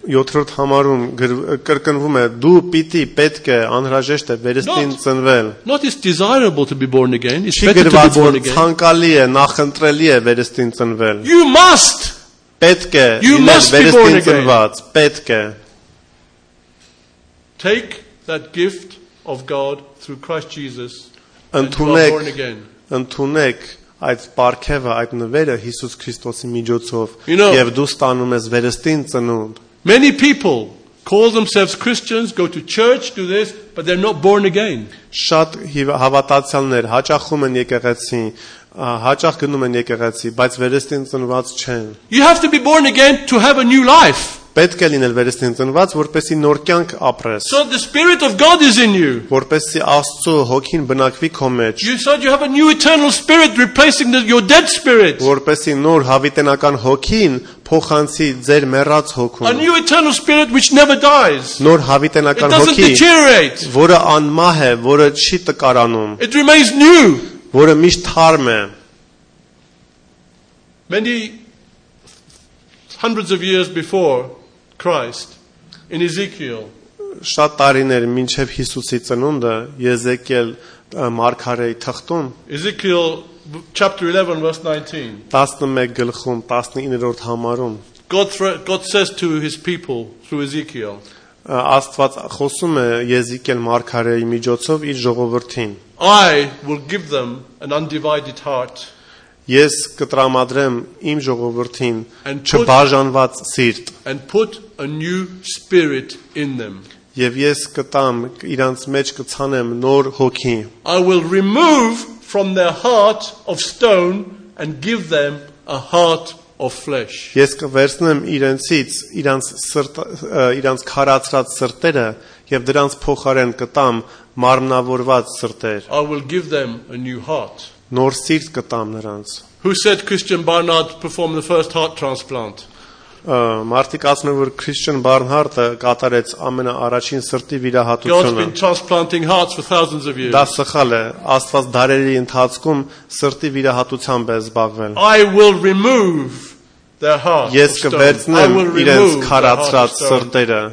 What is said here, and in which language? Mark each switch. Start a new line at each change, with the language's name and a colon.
Armenian: Յոթրորդ համարում կրկնվում է, դու պիտի, պետք է, անհրաժեշտ է վերստին ծնվել.
English: Not it's desirable to be born again, it's better to be born again.
Armenian: Ցանկալի է, նախընտրելի է վերստին ծնվել.
English: You must.
Armenian: Պետք է վերստին ծնված, պետք է.
English: Take that gift of God through Christ Jesus.
Armenian: Ընդունեք այդ պարգևը, այդ նվերը Հիսուս Քրիստոսի միջոցով եւ դու ստանում ես վերստին ծնունդ։
English: Many people call themselves Christians, go to church, do this, but they're not born again.
Armenian: Շատ հավատացյալներ հաճախում են եկեղեցի, հաճախ գնում են եկեղեցի, բայց վերստին ծնված չեն։
English: You have to be born again to have a new life.
Armenian: Պետք է լինել վերստին ծնված, որպեսզի նոր կյանք ապրես։
English: So the spirit of God is in you.
Armenian: Որպեսզի Աստծո հոգին բնակվի քո մեջ։
English: You said you have a new eternal spirit replacing your dead spirit.
Armenian: Որպեսզի նոր հավիտենական հոգին փոխանցի ձեր մեռած հոգուն։
English: A new eternal spirit which never dies.
Armenian: Նոր հավիտենական հոգի, որը անմահ է, որը չի տկարանում։
English: It remains new.
Armenian: Որը միշտ թարմ է։
English: Many hundreds of years before Christ in Ezekiel
Armenian: շատ տարիներ մինչև Հիսուսի ծնունդը Եզեկիել մարգարեի թղթում
English: Ezekiel chapter 11 verse 19
Armenian: 11 գլխում 19-րդ համարում
English: God says to his people through Ezekiel
Armenian: Աստված խոսում է Եզեկիել մարգարեի միջոցով իր ժողովրդին
English: I will give them an undivided heart
Armenian: Ես կտրամադրեմ իմ ժողովրդին չբաժանված սիրտ։
English: And put a new spirit in them.
Armenian: Եվ ես կտամ իրանց մեջ կցանեմ նոր հոգի։
English: I will remove from their heart of stone and give them a heart of flesh.
Armenian: Ես կվերցնեմ իրենցից իրանց սրտ իրանց քարացած սրտերը եւ դրանց փոխարեն կտամ մարմնավորված սրտեր։
English: I will give them a new heart.
Armenian: Նոր սիրտ կտամ նրանց։
English: Who said Christian Barnard performed the first heart transplant?
Armenian: Մարտիկ ասում են, որ Christian Barnard-ը կատարեց ամենաառաջին սրտի վիրահատությունը։
English: God's been transplanting hearts for thousands of years.
Armenian: Դա սխալ է, Աստված դարերի ընթացքում սրտի վիրահատությամբ է զբաղվել։
English: I will remove their heart.
Armenian: Ես կվերցնեմ իրենց քարացած սրտերը։